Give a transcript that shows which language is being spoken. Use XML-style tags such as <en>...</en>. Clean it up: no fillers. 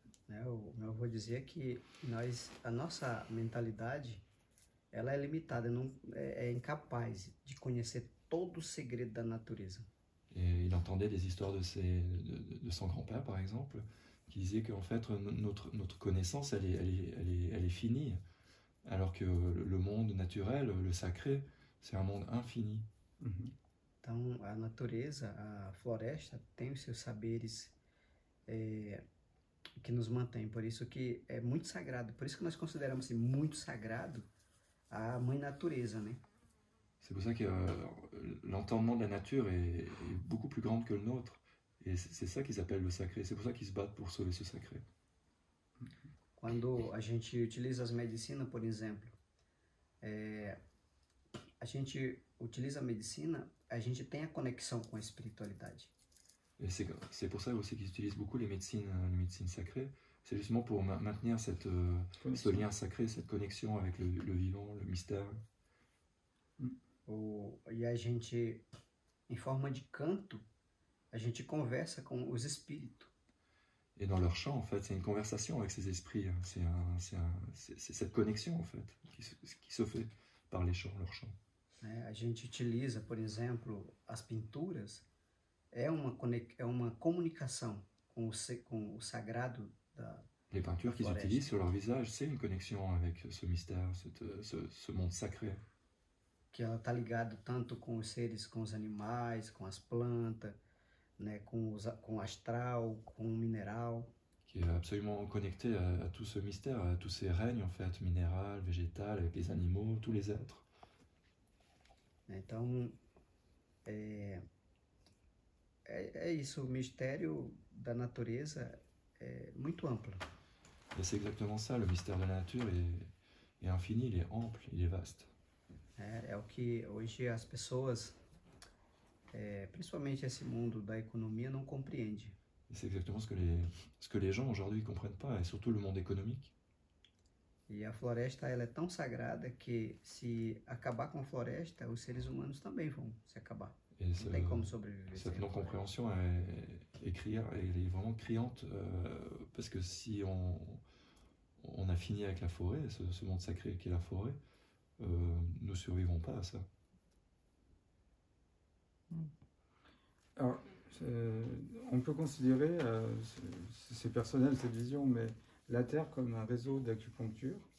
<pt>Eu vou dizer que nós a nossa mentalidade ela é limitada, não é incapaz de conhecer todo o segredo da natureza. Ele entendia as histórias de seu grand-père, por exemplo, que dizia que,</pt> <fr>em fait, notre connaissance elle est finie, alors que le monde naturel, le sacré, c'est un monde infini.</fr> <pt>Então, a natureza, a floresta, tem os seus saberes que nos mantém, por isso que é muito sagrado, por isso que nós consideramos assim, muito sagrado a mãe natureza, né?</pt> <fr>C'est pour ça que l'entendement de la nature est beaucoup plus grande que le nôtre, et c'est ça qu'ils appellent le sacré, c'est pour ça qu'ils se battent pour sauver ce sacré.</fr> <pt>Quando a gente utiliza as medicinas, por exemplo, a gente utiliza a medicina, a gente tem a conexão com a espiritualidade.</pt> <fr>C'est pour ça aussi qu'ils utilisent beaucoup les médecines sacrées. C'est justement pour maintenir ce Connexion. lien sacré, cette connexion avec le vivant, le mystère.</fr> <pt>E a gente, em forma de canto, a gente conversa com os espíritos.</pt> <fr>Et dans leur chant, en fait, c'est une conversation avec ces esprits. C'est cette connexion, en fait, qui se fait par les chants, leur chant.</fr> <pt>A gente utiliza, por exemplo, as pinturas, é uma comunicação com o sagrado</pt> <fr>Les</fr> <pt>da</pt> <fr>peintures qu'ils utilisent sur leur visage, c'est une connexion avec ce mystère, ce monde sacré.</fr> <pt>Que ela está ligada tanto com os seres, com os animais, com as plantas, né, com o astral, com o mineral.</pt> <fr>Qui est absolument connecté à tout ce mystère, à tous ces règnes, en fait, minéral, végétal, avec les animaux, tous les êtres.</fr> <pt>Então, é isso, o mistério da natureza é muito amplo.</pt> <fr>Et c'est exactement ça, le mystère de la nature est infini, il est ample, il est vaste.</fr> <pt>É o que hoje as pessoas, principalmente esse mundo da economia, não compreendem.</pt> <fr>Et c'est exactement ce que les gens aujourd'hui ne comprennent pas, et surtout le monde économique.</fr> <pt>E a floresta, ela é tão sagrada que se acabar com a floresta, os seres humanos também vão se acabar.</pt> <fr>Et</fr> <pt>Não tem como sobreviver sem</pt> <fr>cette</fr> <pt>a floresta.</pt> <fr>non-compréhension est vraiment criante, parce que si on a fini avec la forêt, ce monde sacré qui est la forêt, nous ne survivons pas à ça. Alors, on peut considérer, c'est personnel cette vision, mais la Terre comme un réseau d'acupuncture.</fr>